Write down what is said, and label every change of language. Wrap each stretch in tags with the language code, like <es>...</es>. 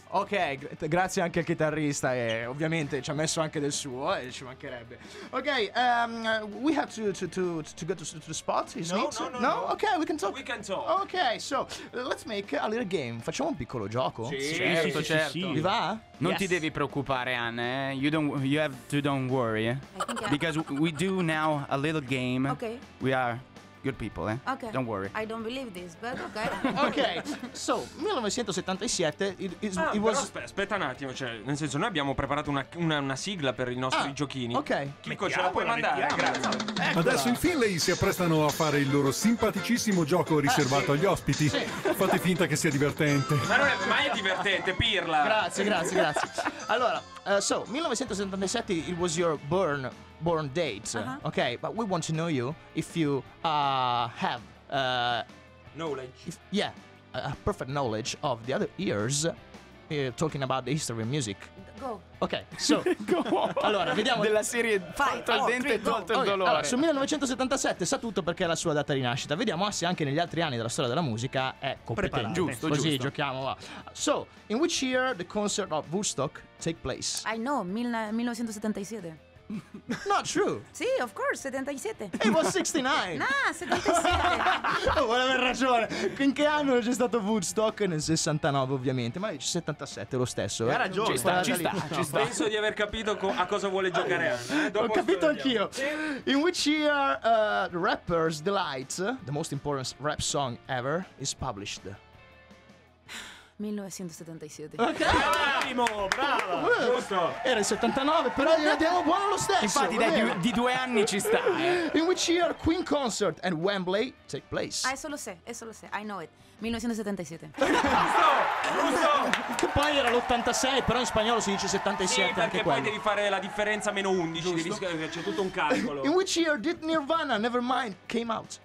<it>Ok, grazie anche al chitarrista e ovviamente ci ha messo anche del suo e ci mancherebbe.</it> <en>Ok, we have to go to the spot, isn't no, it? No. Ok, we can talk. Ok, so let's make a little game.</en> <it>Facciamo un piccolo gioco? Sì, certo. Vi va? Non ti devi preoccupare, Anne.</it> <en>You don't worry. Because we do now a little game. Ok. We are good people, eh? Okay. Don't worry. I don't believe this, but okay. Okay. So, 1977 it was.</en> <it>Aspetta un attimo, cioè, nel senso, noi abbiamo preparato una sigla per i nostri giochini. Ok. Chico, ce la puoi mandare? Grazie. Adesso in Finlay si apprestano a fare il loro simpaticissimo gioco riservato agli ospiti. Sì. Fate finta che sia divertente. Ma non è mai divertente, pirla. Grazie. Allora, 1977</it> <en>it was your born date. Uh-huh. Okay, but we want to know you if you have knowledge. A perfect knowledge of the other years talking about the history of music. Go. Okay. So go.</en> <it>Allora, vediamo della serie tolto il dente e tolto il dolore. Allora, su 1977 sa tutto perché è la sua data di nascita. Vediamo se anche negli altri anni della storia della musica è competente. Preparate. Giusto, così giusto. Giochiamo. Va.</it> <en>So, in which year the concert of Woodstock take place? I know, 1977. Not true. Sì, of course, 77. It was 69. No, 77.</en> <it>Vuole aver ragione. In che anno c'è stato Woodstock? Nel 69, ovviamente. Ma 77 lo stesso. Ha ragione. Ci sta. Penso di aver capito a cosa vuole giocare. Ho capito anch'io.</it> <en>In which year the rapper's Delight, the most important rap song ever, is published? 1977.</en> <it>Ok, bravo, bravo. Giusto. Era il 79, però gli andiamo buono lo stesso. Infatti, dai, di due anni ci sta.</it> <en>In which year Queen Concert and Wembley take place?</en> <it>È solo se,</it> <en>I know it. 1977.</en> <it>Giusto. Poi era l'86, però in spagnolo si dice 77. Sì, perché anche poi devi fare la differenza meno 11. C'è tutto un calcolo.</it> <en>In which year did Nirvana Nevermind came out?</en>